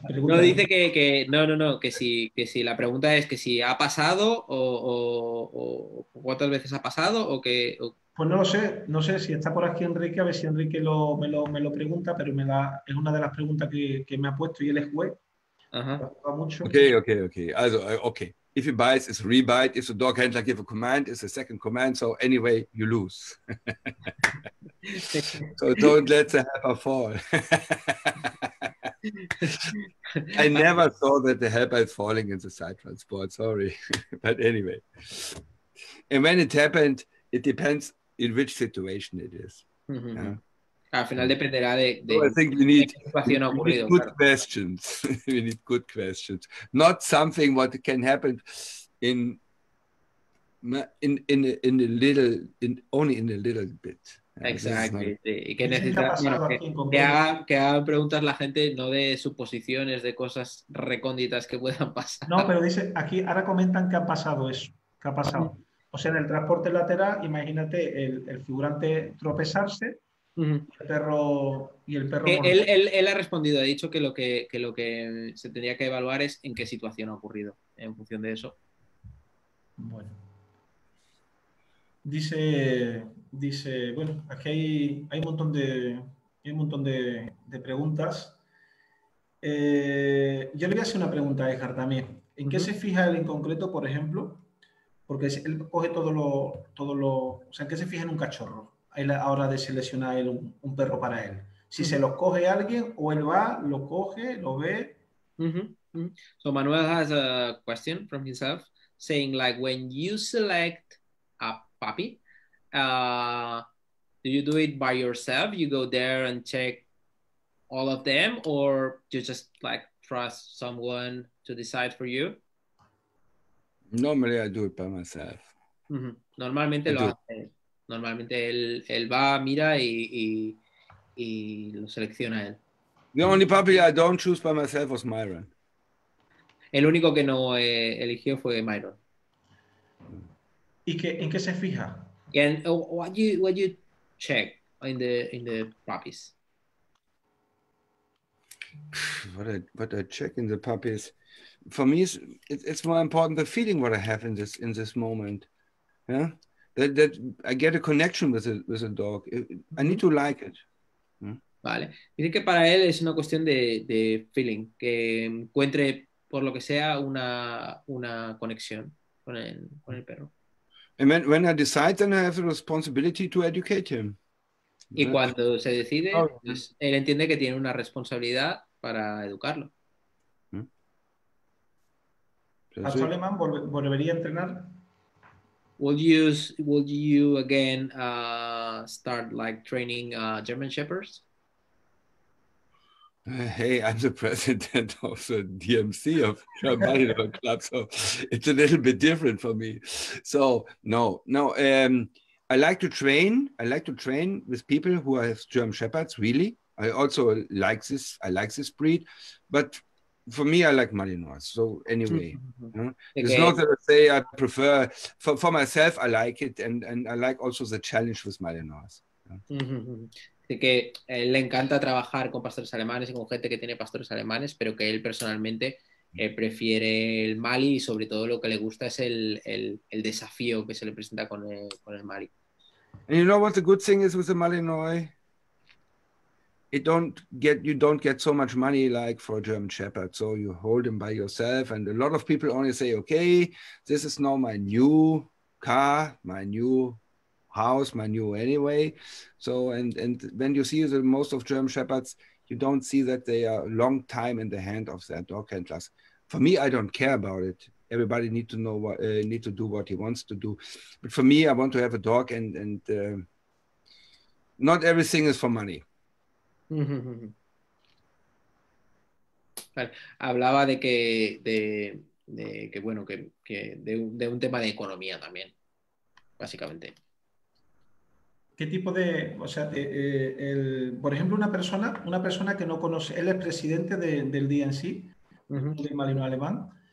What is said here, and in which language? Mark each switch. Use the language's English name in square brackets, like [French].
[Spanish] No, dice que no, que si la pregunta es que si ha pasado o cuántas veces ha pasado o que... O... Pues no sé si está por aquí Enrique, a ver si Enrique me lo pregunta, pero es una de las preguntas que me ha puesto y él es juez. Ajá. [English] Okay. Also, okay. If he bites, it's a rebite. If the dog handler gives a command, it's a second command. So anyway, you lose. So don't let the helper fall. I never saw that the helper is falling in the side transport. Sorry. But anyway. And when it happened, it depends in which situation it is. [Spanish] Mm-hmm. Yeah. Al final dependerá de [English] so I think you need, good claro. Questions. We need good questions. Not something what can happen in a little bit. [Spanish] Exactamente, y que necesita que hagan preguntas la gente, no de suposiciones, de cosas recónditas que puedan pasar. No, pero dice aquí, ahora comentan que ha pasado eso, que ha pasado. O sea, en el transporte lateral, imagínate el figurante tropezarse, uh-huh. el perro. Él ha respondido, ha dicho que lo que se tendría que evaluar es en qué situación ha ocurrido, en función de eso. Bueno. Dice, bueno, aquí hay un montón de preguntas. Yo le voy a hacer una pregunta a Edgar también. ¿En uh-huh. qué se fija él en concreto, por ejemplo? Porque él coge todo lo. O sea, ¿en qué se fija en un cachorro? Él, a la hora de seleccionar él un perro para él. Si uh-huh. se los coge alguien, o él va, lo coge, lo ve. Uh-huh. [English] So Manuel has a question from himself, saying like when you select a puppy. Do you do it by yourself? You go there and check all of them, or do you just like trust someone to decide for you? Normally, I do it by myself. Mm-hmm. Normalmente I lo do. Hace. [Spanish] Normalmente él va, mira y lo selecciona él. [English] The only puppy I don't choose by myself was Myron. [Spanish] El único que no eligió fue Myron. ¿Y qué en qué se fija? [English] And what you check in the puppies? What I check in the puppies, for me, it's more important the feeling what I have in this moment. Yeah, that I get a connection with a dog. I need to like it. Yeah? Vale. [Spanish] Dice que para él es una cuestión de feeling, que encuentre por lo que sea una conexión con el perro. [English] And when I decide, then I have the responsibility to educate him. [Spanish] Y cuando se decide, pues, él entiende que tiene una responsabilidad para educarlo. ¿A su alemán volvería a entrenar? [English] Would you again start like training German Shepherds? Hey, I'm the president of the DMC of German Club, so it's a little bit different for me. So no. I like to train with people who have German Shepherds, really. I also like this. I like this breed. But for me, I like Malinois. So anyway, okay. It's not that I say I prefer. For myself, I like it. And I like also the challenge with Malinois. Mm-hmm. [Spanish] Que le encanta trabajar con pastores alemanes y con gente que tiene pastores alemanes, pero que él personalmente prefiere el Mali y sobre todo lo que le gusta es el desafío que se le presenta con el Mali. [English] And you know what the good thing is with the Malinois? You don't get so much money like for a German Shepherd. So you hold him by yourself, and a lot of people only say, okay, this is now my new car, my new house, my new anyway. So and when you see the most of German Shepherds, you don't see that they are a long time in the hand of their dog handlers. For me, I don't care about it. Everybody need to know what need to do what he wants to do, but for me, I want to have a dog, and not everything is for money. [Spanish] Vale. Hablaba de que de que bueno que de un tema de economía también, básicamente. ¿Qué tipo de, o sea, de, el, por ejemplo, una persona que no conoce, él es presidente del DNC, uh-huh, del Malinois alemán?